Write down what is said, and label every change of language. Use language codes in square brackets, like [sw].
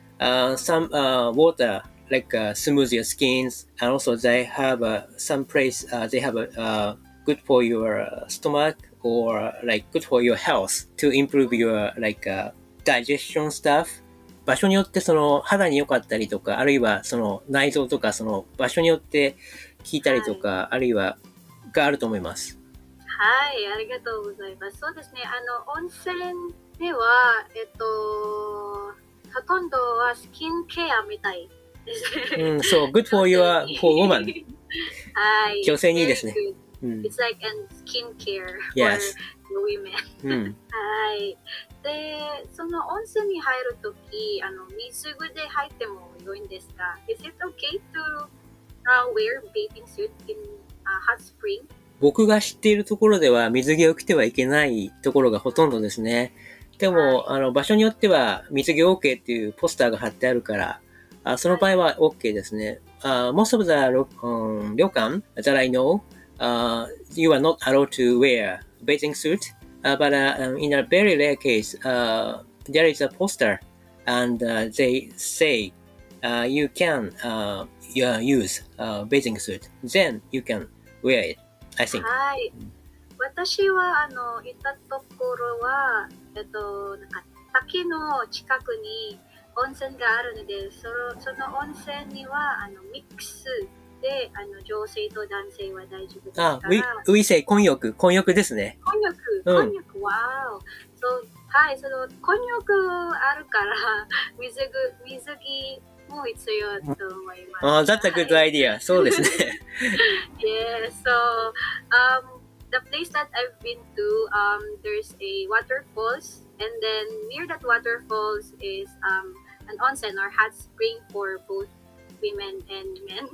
[en] Some water,like smooth your skins, and also they have some place they have good for your stomach or like good for your health to improve your like digestion stuff. [ja] 場所によってその肌に良かったりとか、あるいはその内臓とかその場所によって効いたりとか、はい、あるいはがあると思います。はい、ありがとうございます。そうですね、あの温泉ではほとんどはスキンケアみたい [en] そう、good for your for woman. [ja] はい。女性にいいですね。 [en] It's like a skincare for women. はい。 [ja] で、その温泉に入るとき、あの、水で入っても良いんですか？ [en] Is it okay to wear bathing suit in a hot spring? [ja] 僕が知っているところでは水着を着てはいけないところがほとんどですね。でも、はい、あの、場所によっては水着 OK っていうポスターが貼ってあるから、その場合は OK ですね。 [en] Most of the ryokan that I know, you are not allowed to wear bathing suit. But in a very rare case, there is a poster and they say you can use bathing suit. Then you can wear it, I think. [ja] はい。私はあの行ったところは、なんか滝の近くに温泉があるので、その温泉にはあのミックスで、あの女性と男性は大丈夫ですか？ウィセイ、混浴、混浴ですね。混浴、混浴、うん、わーお。そう、はい、その混浴あるから、水着も必要と思います。 [en] あ、that's a good idea. [ja] はい、そうですね。 [en] yeah, so, the place that I've been to, there's a waterfalls. And then near that waterfalls is an onsen or hot spring for both women and men.